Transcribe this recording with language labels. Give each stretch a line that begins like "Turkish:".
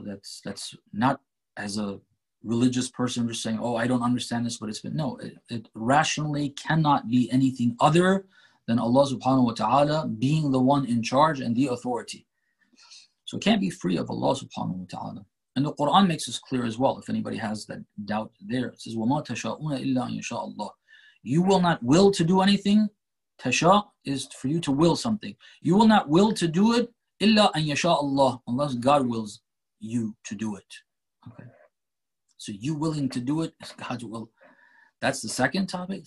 English: That's not as a religious person just saying, oh, I don't understand this, but it's been. No, it rationally cannot be anything other than Allah subhanahu wa ta'ala being the one in charge and the authority. So it can't be free of Allah subhanahu wa ta'ala. And the Quran makes this clear as well, if anybody has that doubt there. It says,
Arabic: وَمَا تَشَاءُونَ إِلَّا أَن يَشَاءَ اللَّهِ.
English: You will not will to do anything. Tasha is for you to will something. You will not will to do it,
Arabic: إِلَّا أَن يَشَاءَ اللَّهِ,
English: unless God wills you to do it. Okay. So you willing to do it is God's will. That's the second topic.